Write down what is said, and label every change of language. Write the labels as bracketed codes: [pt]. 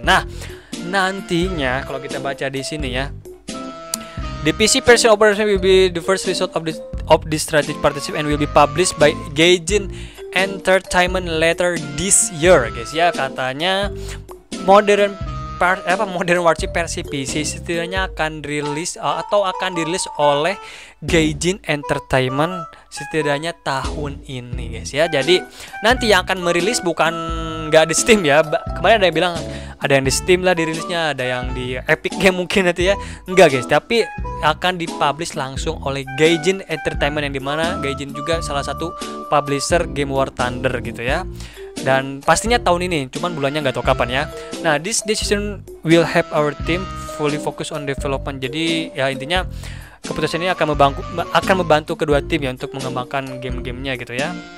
[id] Nah nantinya kalau kita baca di sini ya, [en] the PC version operation will be the first result of this strategic partnership and will be published by Gaijin Entertainment later this year guys ya. [id] Katanya Modern Warship versi PC setidaknya akan rilis atau akan dirilis oleh Gaijin Entertainment setidaknya tahun ini guys ya. Jadi nanti yang akan merilis bukan nggak di Steam ya, kemarin ada yang bilang ada yang di Steam lah dirilisnya, ada yang di Epic Game mungkin nanti ya, enggak guys, tapi akan dipublish langsung oleh Gaijin Entertainment, yang dimana Gaijin juga salah satu publisher game War Thunder gitu ya. Dan pastinya tahun ini, cuman bulannya nggak tahu kapan ya. [en] Nah, this decision will help our team fully focus on development. [id] Jadi ya intinya keputusan ini akan membantu kedua tim ya untuk mengembangkan game-gamenya gitu ya.